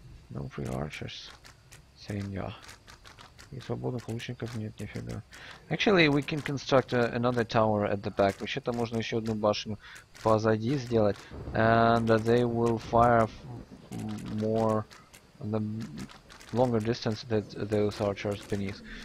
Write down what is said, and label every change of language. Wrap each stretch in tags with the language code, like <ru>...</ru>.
<en>No free archers. Same, yeah.</en> <ru>И свободных лучников нет, нифига.</ru> <en>Actually, we can construct another tower at the back.</en> <ru>Вообще-то можно еще одну башню позади сделать.</ru> <en>And they will fire more the longer distance than those archers beneath.</en>